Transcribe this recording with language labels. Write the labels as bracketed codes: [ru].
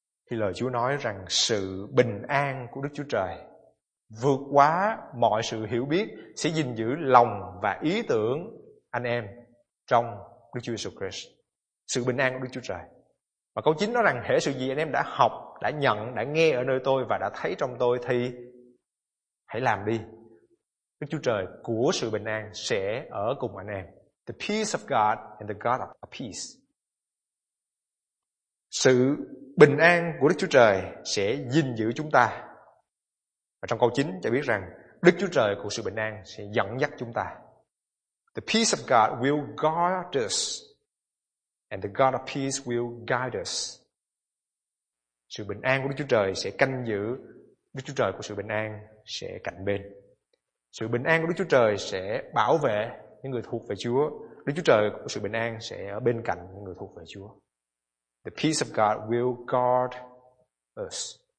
[vi] Thì lời Chúa nói rằng sự bình an của Đức Chúa Trời vượt quá mọi sự hiểu biết sẽ gìn giữ lòng và ý tưởng anh em trong Đức Chúa Jesus Christ. Sự bình an của Đức Chúa Trời. Và câu 9 nói rằng hễ sự gì anh em đã học, đã nhận, đã nghe ở nơi tôi và đã thấy trong tôi thì hãy làm đi. Đức Chúa Trời của sự bình an sẽ ở cùng anh em. [en] The peace of God and the God of peace. [vi] Sự bình an của Đức Chúa Trời sẽ gìn giữ chúng ta. Và trong câu 9 cho biết rằng Đức Chúa Trời của sự bình an sẽ dẫn dắt chúng ta. [en] The peace of God will guard us. And the God of peace will guide us. [vi] Sự bình an của Đức Chúa Trời sẽ canh giữ. Đức Chúa Trời của sự bình an sẽ cạnh bên. Sự bình an của Đức Chúa Trời sẽ bảo vệ những người thuộc về Chúa. Đức Chúa Trời của sự bình an sẽ ở bên cạnh những người thuộc về Chúa. [en] The peace of God will guard us.